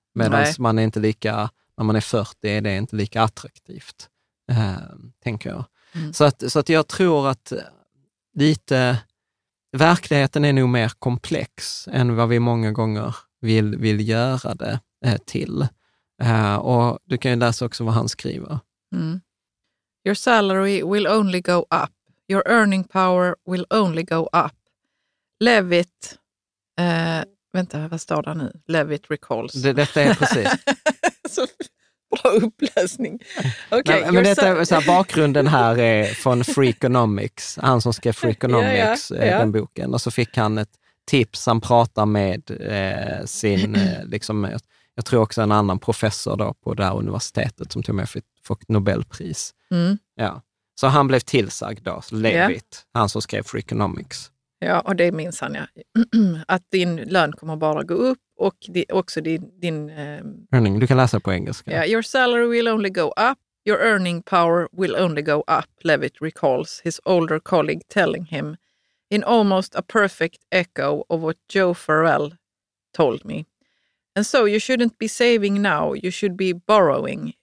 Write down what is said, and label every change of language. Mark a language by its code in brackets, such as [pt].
[sv] Medan man är inte lika, när man är 40 är det inte lika attraktivt, tänker jag. Mm. Så att jag tror att lite, verkligheten är nog mer komplex än vad vi många gånger vill göra det till. Och du kan ju läsa också vad han skriver. Mm. [en] Your salary will only go up. Your earning power will only go up. [sv] Levitt, vänta, vad står det nu? [en] Levitt recalls. [sv] Detta är precis. Så bra uppläsning. Okay, nej, men detta, så här, bakgrunden här är från Freakonomics. Han som skrev Freakonomics, den boken. Och så fick han ett tips. Han pratar med sin, liksom, jag tror också en annan professor då på det här universitetet som tog med fått Nobelpris. Mm. Ja. Så han blev tillsagd då, Levitt, han som skrev Freakonomics. Ja, och det minns han, ja. Att din lön kommer bara gå upp, och också din earning, du kan läsa på engelska. [en] Yeah, your salary will only go up, your earning power will only go up, Levitt recalls his older colleague telling him in almost a perfect echo of what Joe Farrell told me. And so you shouldn't be saving now, you should be borrowing.